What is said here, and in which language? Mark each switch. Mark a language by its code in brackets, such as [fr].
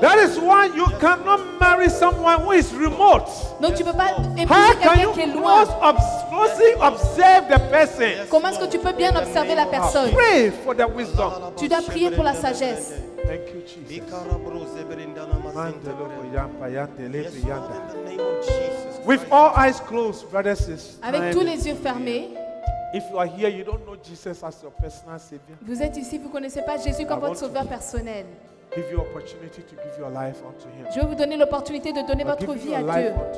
[en] That is why you cannot marry someone who is remote. [fr] Non, tu peux pas épouser quelqu'un qui est loin. [en] Closely observe the person. [fr] Comment est-ce que tu peux bien observer la personne? [en] Pray for the wisdom. [fr] Tu dois prier pour la sagesse. [en] Thank you, Jesus. With all eyes closed, brothers and sisters. [fr] Avec tous les yeux fermés. [en] If you are here, you don't know Jesus as your personal savior. [fr] Vous êtes ici, vous connaissez pas Jésus comme votre sauveur personnel. [en] Give you opportunity to give your life unto him. [fr] Je vais vous donner l'opportunité de donner votre vie à Dieu.